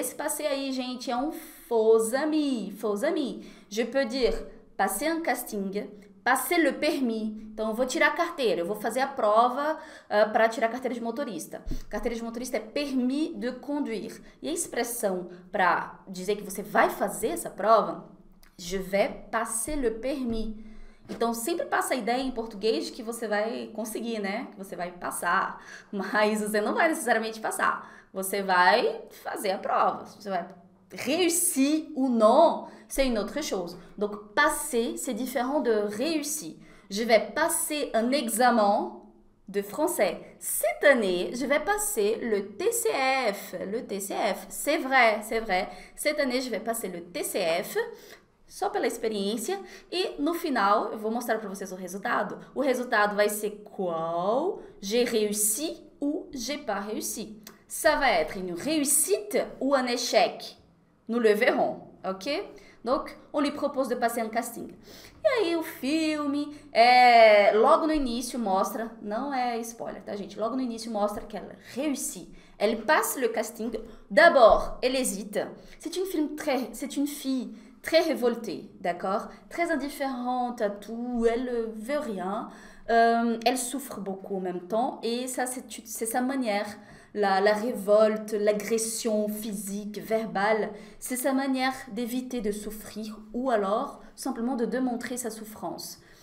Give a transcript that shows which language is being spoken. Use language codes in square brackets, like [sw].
[pt] Esse passer aí, gente, é um faux ami, faux ami. [fr] Je peux dire passer un casting. Passei le permis. [pt] Então, eu vou tirar a carteira. Eu vou fazer a prova para tirar a carteira de motorista. Carteira de motorista é [fr] permis de conduire. [pt] E a expressão para dizer que você vai fazer essa prova? [fr] Je vais passer le permis. [pt] Então, sempre passa a ideia em português de que você vai conseguir, né? Que você vai passar. Mas você não vai necessariamente passar. Você vai fazer a prova. Você vai [fr] réussir ou non, c'est une autre chose. Donc, passer, c'est différent de réussir. Je vais passer un examen de français. Cette année, je vais passer le TCF. Le TCF, c'est vrai, c'est vrai. Cette année, je vais passer le TCF, [pt] só pela experiência. E no final, eu vou mostrar para vocês o resultado. O resultado vai ser qual? [fr] J'ai réussi ou j'ai pas réussi? Ça va être une réussite ou un échec? Nous le verrons, ok? Donc, on lui propose de passer un casting. [pt] E aí, o filme, logo no início mostra, não é spoiler, tá, gente? Logo no início mostra que ela réussit. [fr] Elle passe le casting. D'abord, elle hésite. C'est une fille très révoltée, d'accord? Très indifférente à tout, elle veut rien. Elle souffre beaucoup en même temps, et ça, c'est sa manière. La révolte, l'agression physique, verbale, c'est sa manière d'éviter de souffrir ou alors simplement de démontrer sa souffrance.